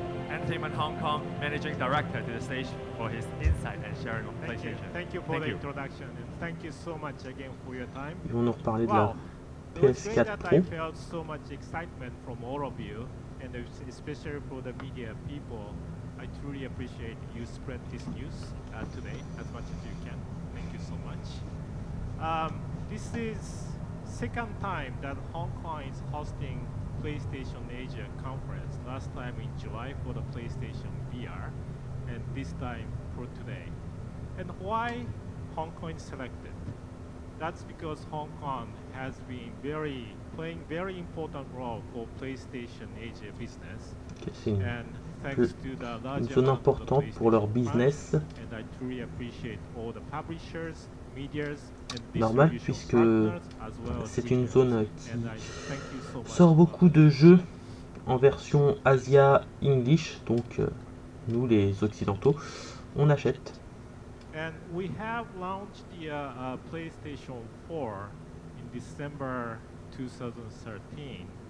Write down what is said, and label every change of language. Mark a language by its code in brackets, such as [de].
[en] Entertainment Hong Kong Managing Director to the stage for his insight and sharing of PlayStation. Thank you for the introduction and thank you so much again for your time. [fr] Ils vont nous reparler de la PS4 Pro. [en] I felt so much excitement from all of you and especially for the media people. I truly appreciate you spread this news today as much as you can. Thank you so much. This is second time that Hong Kong is hosting PlayStation Asia conference, last time in July for the PlayStation VR, and this time for today. And why Hong Kong selected? That's because Hong Kong has been playing very important role for PlayStation Asia business. And thanks to the large amount of PlayStation fans, and I truly appreciate all the publishers, medias, [fr] normal puisque c'est une zone qui sort beaucoup de jeux en version Asia English, donc nous les occidentaux, on achète. [en] And we have launched the PlayStation 4 in December 2013.